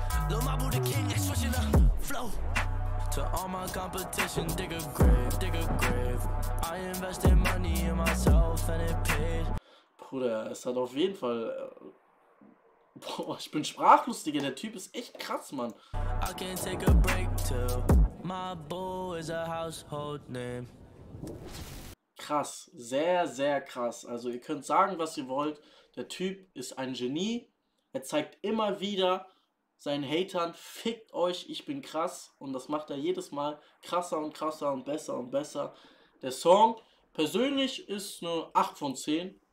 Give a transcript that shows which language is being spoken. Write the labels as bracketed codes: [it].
[en] Lil Mabu the king, next switching up flow. To all my competition, dig a grave, dig a grave. I invested money in myself and it paid. [de] Bruder, es hat auf jeden Fall. Boah, ich bin sprachlos, Digga. Der Typ ist echt krass, Mann. [en] I can't take a break till my boo is a household name. [de] Krass, sehr, sehr krass. Also ihr könnt sagen, was ihr wollt. Der Typ ist ein Genie. Er zeigt immer wieder seinen Hatern, fickt euch, ich bin krass. Und das macht er jedes Mal krasser und krasser und besser und besser. Der Song persönlich ist nur 8 von 10.